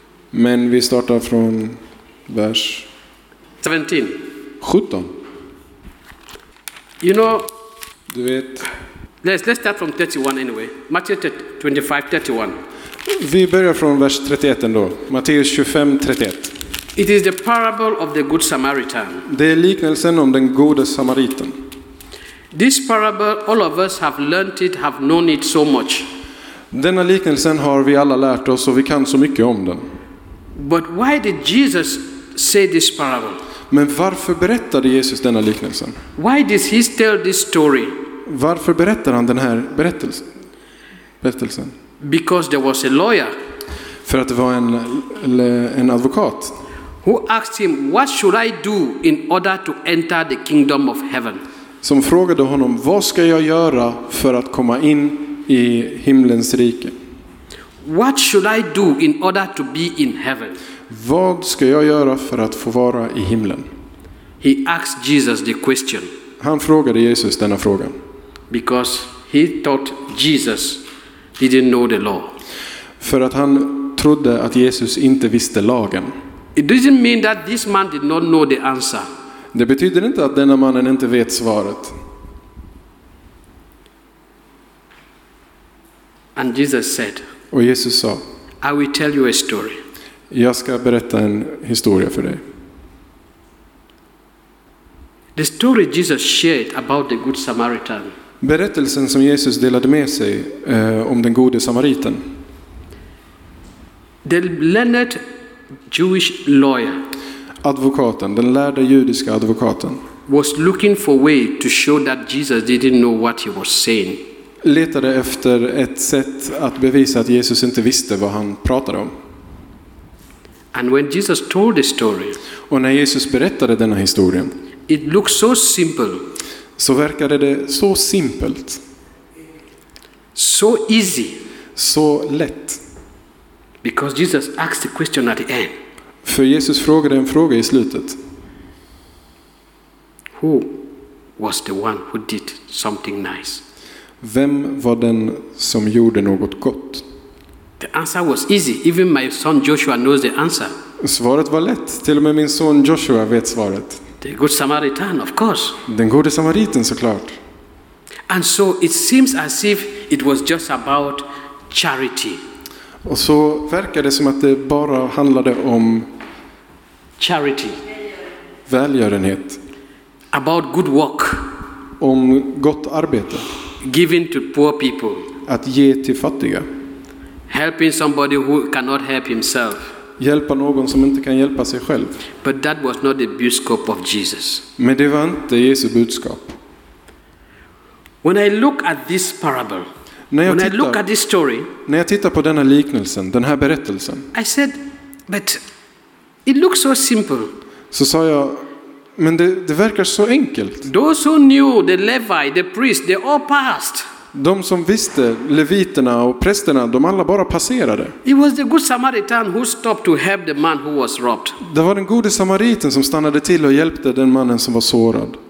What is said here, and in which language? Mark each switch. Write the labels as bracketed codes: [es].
[sv] Men vi startar från vers 17. [en] 17. You know. [sv] Du vet. [en] Let's start from 31 anyway. Matthew 25:31. [sv] Vi börjar från vers 31 ändå. Matteus 25:31. [en] It is the parable of the good Samaritan. [sv] Det är liknelsen om den gode samariten. [en] This parable, all of us have learned it, have known it so much. [sv] Denna liknelsen har vi alla lärt oss och vi kan så mycket om den. [en] But why did Jesus say this parable? [sv] Men varför berättade Jesus denna liknelsen? [en] Why did he tell this story? [sv] Varför berättar han den här berättelsen? [en] Because there was a lawyer. [sv] För att det var en advokat. [en] Who asked him, "What should I do in order to enter the kingdom of heaven?" [sv] Som frågade honom, vad ska jag göra för att komma in i himlens rike? [en] What should I do in order to be in heaven? [sv] Vad ska jag göra för att få vara i himlen? [en] He asked Jesus the question. [sv] Han frågade Jesus denna fråga. [en] Because he thought Jesus didn't know the law. [sv] För att han trodde att Jesus inte visste lagen. [en] It doesn't mean that this man did not know the answer. [sv] Det betyder inte att denna mannen inte vet svaret. [en] And Jesus said, [sv] och Jesus sa, [en] I will tell you a story. [sv] Jag ska berätta en historia för dig. [en] The story Jesus shared about the good Samaritan. [sv] Berättelsen som Jesus delade med sig om den gode samariten. [en] The learned Jewish lawyer. [sv] Advokaten, den lärda judiska advokaten, [en] was looking for way to show that Jesus didn't know what he was saying. [sv] Letade efter ett sätt att bevisa att Jesus inte visste vad han pratade om. [en] And when Jesus told the story, [sv] och när Jesus berättade denna historien, [en] it looked so simple. [sv] Så verkade det så simpelt. [en] So easy. [sv] Så lätt. [en] Because Jesus asked the question at the end. [sv] För Jesus frågade en fråga i slutet. [en] Who was the one who did something nice? [sv] Vem var den som gjorde något gott? [en] The answer was easy. Even my son Joshua knows the answer. [sv] Svaret var lätt. Till och med min son Joshua vet svaret. [en] The good Samaritan, of course. [sv] Den gode samariten, såklart. [en] And so it seems as if it was just about charity. [sv] Och så verkar det som att det bara handlade om [en] charity. [sv] Välgörenhet. [en] About good work. [sv] Om gott arbete. [en] Giving to poor people. [sv] Att ge till fattiga. [en] Helping somebody who cannot help himself. [sv] Hjälpa någon som inte kan hjälpa sig själv. [en] But that was not the [sv] budskap [en] of Jesus. [sv] Men det var inte Jesu budskap. [en] When I look at this parable, when I look at this story, [sv] när jag tittar på denna liknelsen, den här berättelsen, [en] I said, but it looks so simple. [sv] Så sa jag, men det verkar så enkelt. [en] Those who knew, the Levi, the priest, they all passed. [sv] De som visste, leviterna och prästerna, de alla bara passerade. [en] It was the good Samaritan who stopped to help the man who was robbed. [sv] Det var den gode samariten som stannade till och hjälpte den mannen som var sårad.